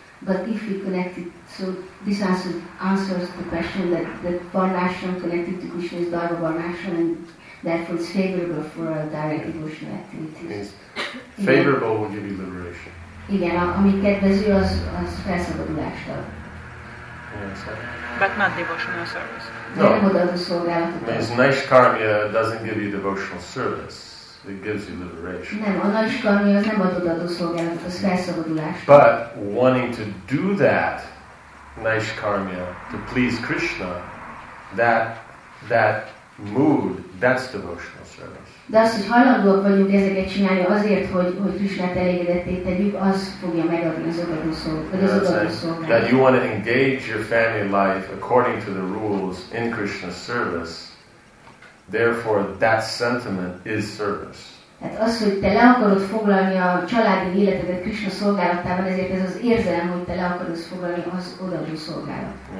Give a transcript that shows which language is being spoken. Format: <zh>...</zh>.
<en>But if we connect it, so this answers the question that varnashram connected to Krishna is dharma varnashram, and therefore it's favorable for direct devotional activities. Means favorable would you be liberation?</en> <hu>Igen, amiket vezető az felszabadulással.</hu> <en>But not devotional service. No.</en> <hu>Nem odaadó szolgálatot.</hu> <en>Means naishkarmya doesn't give you devotional service. It gives you liberation.</en> <hu>Nem, a naishkarmya az nem odaadó szolgálatot, az felszabadulás.</hu> <en>But wanting to do that naishkarmya to please Krishna, that mood, that's devotional service.</en> <hu>De az, hogy hajlandóak vagyunk ezeket csinálni azért, hogy Krisnát elégedetté tegyük, az fogja megadni az odaadó szolgálatot.</hu> <en>That you want to engage your family life according to the rules in Krishna's service, therefore that sentiment is service.</en> <hu>Tehát az, hogy te le akarod foglalni a családi életedet Krisna szolgálatában, ezért ez az érzelem, hogy te le akarod foglalni az odaadó szolgálat.</hu>